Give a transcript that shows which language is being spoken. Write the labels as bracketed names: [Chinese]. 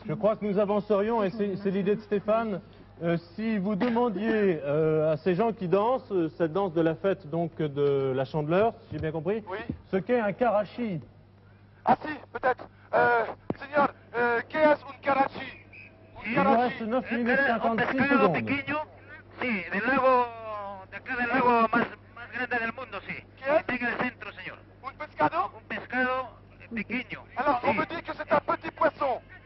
[French] Je crois que nous avancerions, et c'est l'idée de Stéphane. Si vous demandiez à ces gens qui dansent, cette danse de la fête donc de la Chandeleur, si j'ai bien compris, ce qu'est un karachi. Ah si, peut-être. Seigneur, qu'est-ce un karachi? Il nous reste 9 minutes 56 secondes. [Spanish] Un pescado pequeño, si, del lago, de acá del lago más grande del mundo, si. [French] Qui est? [Spanish] En el centro, señor. Un pescado? Un pescado pequeño. [French] Alors, on me dit que c'est un petit poisson.